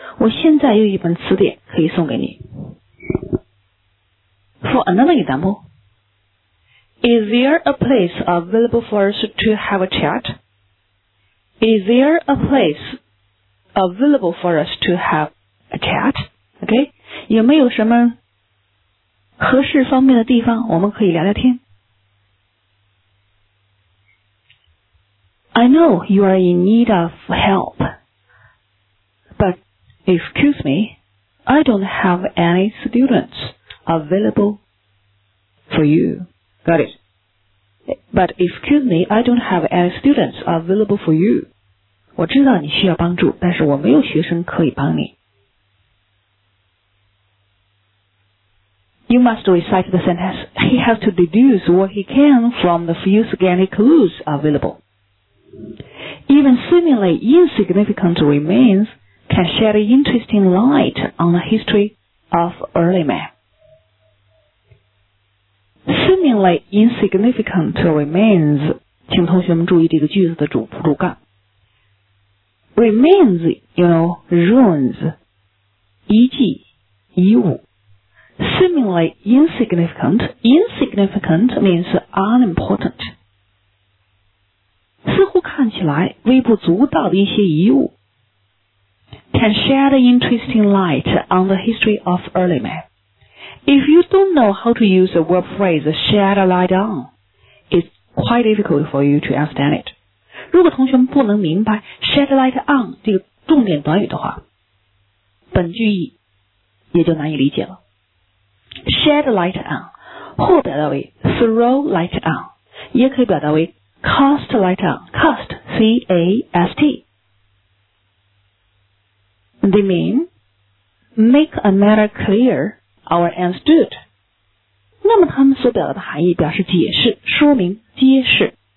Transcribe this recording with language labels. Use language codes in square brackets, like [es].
[zh] 我现在有一本词典可以送给你。 [en] For another example, Is there a place available for us to have a chat? Is there a place available for us to have a chat? Okay? [zh] 有没有什么合适方便的地方我们可以聊聊天？ [en] I know you are in need of help, but excuse me, I don't have any students available for you. Got it. But excuse me, I don't have any students available for you. [zh] 我知道你需要帮助，但是我没有学生可以帮你。 [en] You must recite the sentence. He has to deduce what he can from the few scanty clues available. Even seemingly insignificant remains can shed interesting light on the history of early man. Seemingly insignificant remains, [zh] 请同学们注意这个句子的主仆主干。 [en] Remains, you know, ruins, [zh] 遗迹、遗物。 [en] Seemingly insignificant, insignificant means unimportant. [zh] 似乎看起来微不足道的一些遗物。 [en] Can shed interesting light on the history of early man. If you don't know how to use the word phrase shed a light on, it's quite difficult for you to understand it. [zh] 如果同学们不能明白 [en] shed a light on [zh] 这个重点短语的话，本句意也就难以理解了。 [en] Shed a light on, [zh] 或表达为 [en] throw light on, [zh] 也可以表达为 [en] cast light on, cast, C-A-S-T. They mean, make a matter clear or understood. [zh] 那么他们所表达的含义表示解释、说明、揭示。